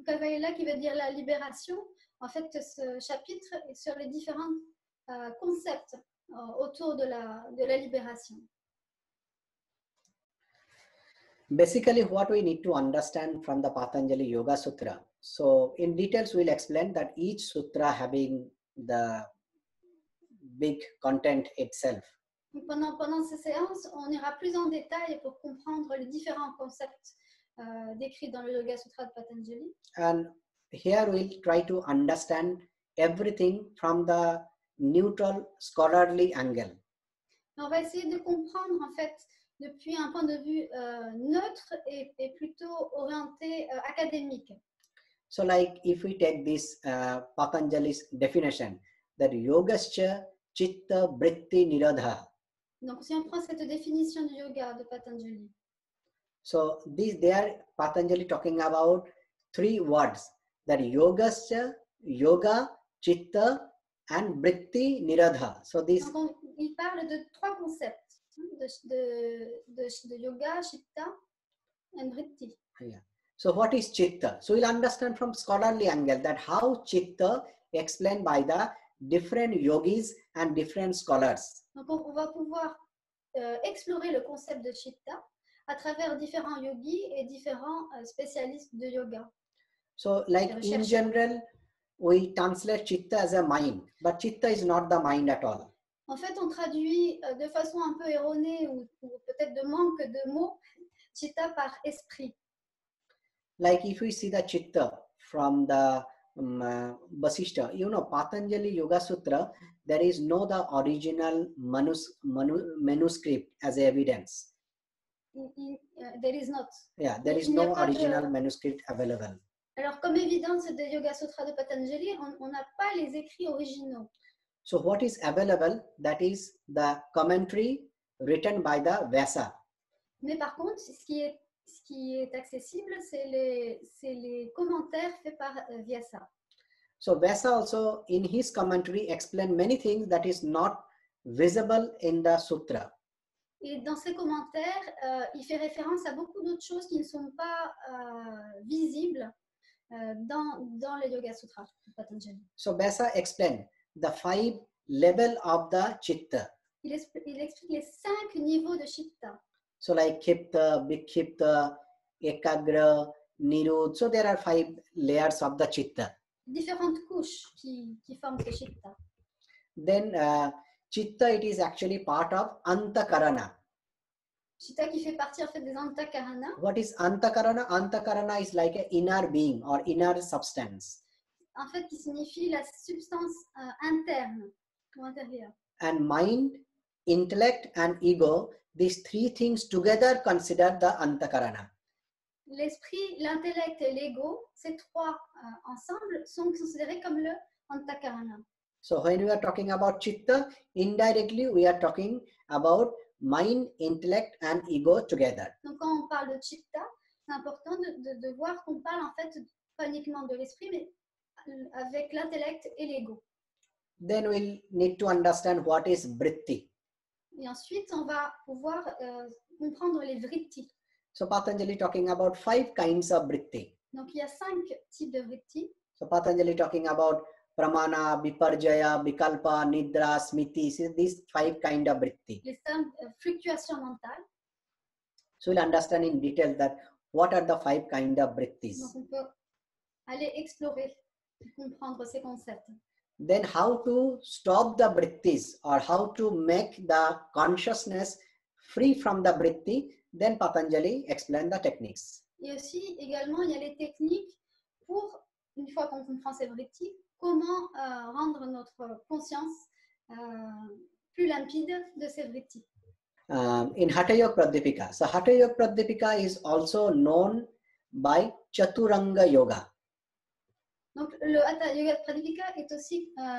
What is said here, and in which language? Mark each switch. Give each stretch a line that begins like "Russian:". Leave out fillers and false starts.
French: Kaivalya qui veut dire la libération. En fait, ce chapitre est sur les différents concepts autour de la libération.
English: Basically, what we need to understand from the Patanjali Yoga Sutra. So, in details, we'll explain that each sutra having the big content itself.
French: Pendant ces séances, on ira plus en détail pour comprendre les différents concepts décrits dans le Yoga Sutra de Patanjali.
English: And here we'll try to understand everything from the neutral scholarly angle.
French: On va essayer de comprendre en fait depuis un point de vue neutre et plutôt orienté académique.
English: So like if we take this Patanjali's definition that yogascha chitta vritti nirodha.
French: Donc si on prend cette définition du yoga de Patanjali.
English: So this there Patanjali talking about three words that yogascha yoga chitta and vritti nirodha. So this
French: donc, il parle de trois concepts de yoga chitta and vritti.
English: Yeah. So what is chitta? So we'll understand from scholarly angle that how chitta explained by the different yogis and different scholars.
French: Donc on va pouvoir explorer le concept de chitta à travers différents yogis et différents spécialistes de yoga.
English: So like in general, we translate chitta as a mind, but chitta is not the mind at all.
French: En fait, on traduit de façon un peu erronée ou peut-être de manque de mots chitta par esprit.
English: Like if we see the chitta from the Vasishtha, you know, Patanjali Yoga Sutra, there is no the original manuscript as evidence. There is no original manuscript available.
French: Alors, comme évidence de Yoga Sutra de Patanjali, on n'a pas les écrits originaux.
English: So what is available, that is the commentary written by the Vyasa.
French: Mais par contre, ce qui est accessible, c'est les commentaires faits par Vyasa.
English: So Vyasa also, in his commentary, explained many things that is not visible in the sutra.
French: Et dans ses commentaires, il fait référence à beaucoup d'autres choses qui ne sont pas visibles dans le Yoga Sutra de Patanjali.
English: So Vyasa explained the five level of the chitta.
French: Il explique les cinq niveaux de chitta.
English: So like kipta, vikipta, ekagra, nirodha. So there are five layers of the chitta.
French: Différentes couches qui forment ce chitta.
English: Then chitta, it is actually part of antakarana.
French: Chitta qui fait partie en fait des antakarana.
English: What is antakarana? Antakarana is like an inner being or inner substance.
French: En fait, qui signifie la substance interne ou intérieure.
English: And mind, intellect and ego. These three things together consider the antakarana.
French: L'esprit, l'intellect et l'ego, ces trois ensemble sont considérés comme le antakarana.
English: So when we are talking about chitta, indirectly we are talking about mind, intellect and ego together.
French: Donc quand on parle de chitta, c'est important de voir qu'on parle en fait pas uniquement de l'esprit mais avec l'intellect et l'ego.
English: Then we'll need to understand what is vritti.
French: Et ensuite, on va pouvoir comprendre les vritti.
English: So Patanjali talking about five kinds of vritti.
French: Donc il y a cinq types de vritti.
English: So Patanjali talking about pramana, viparjaya, vikalpa, nidra, smriti. These five kinds of vritti.
French: Les cinq fluctuations mentales.
English: So we'll understand in detail that what are the five kinds of vrittis.
French: Donc on peut aller explorer, comprendre ces concepts.
English: Then how to stop the vrittis or how to make the consciousness free from the vritti, then Patanjali explained the techniques.
French: Et aussi, également, il y a les techniques pour, une fois qu'on comprend ces vrittis, comment rendre notre conscience plus limpide de ces vrittis.
English: In Hatha Yoga Pradipika. So Hatha Yoga Pradipika is also known by Chaturanga Yoga.
French: Donc le Hatha Yoga Pradipika est aussi